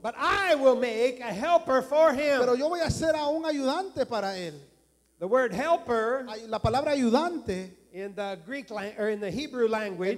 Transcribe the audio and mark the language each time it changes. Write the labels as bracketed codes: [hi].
[en] But I will make a helper for him. [es] Pero yo voy a hacer a un ayudante para él. [en] The word helper, [es] la palabra ayudante, [en] in the Greek or in the Hebrew language,